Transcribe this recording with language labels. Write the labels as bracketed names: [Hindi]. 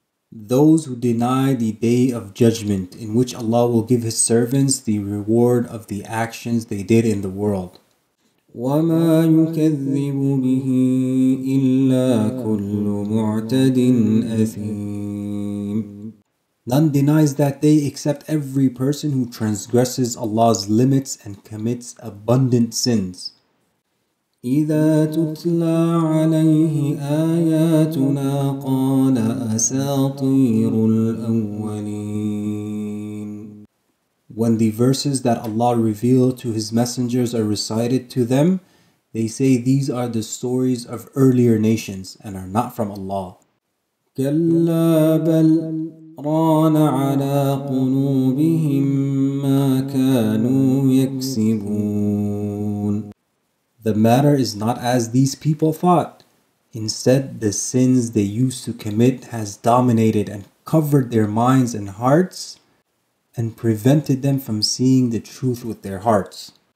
[English] Those who deny the day of judgment in which Allah will give His servants the reward of the actions they did in the world. [Arabic] وما يكذب به إلا كل معتد أثيم. [English] None denies that day except every person who transgresses Allah's limits and commits abundant sins. [Arabic] إذا تتلى عليه آياتنا قال أساطير الأولين. [English] When the verses that Allah revealed to His messengers are recited to them, they say these are the stories of earlier nations and are not from Allah. [Arabic] كلا بل ران على قلوبهم ما كانوا يكسبون. [English] The matter is not as these people thought. Instead, the sins they used to commit has dominated and covered their minds and hearts and prevented them from seeing the truth with their hearts.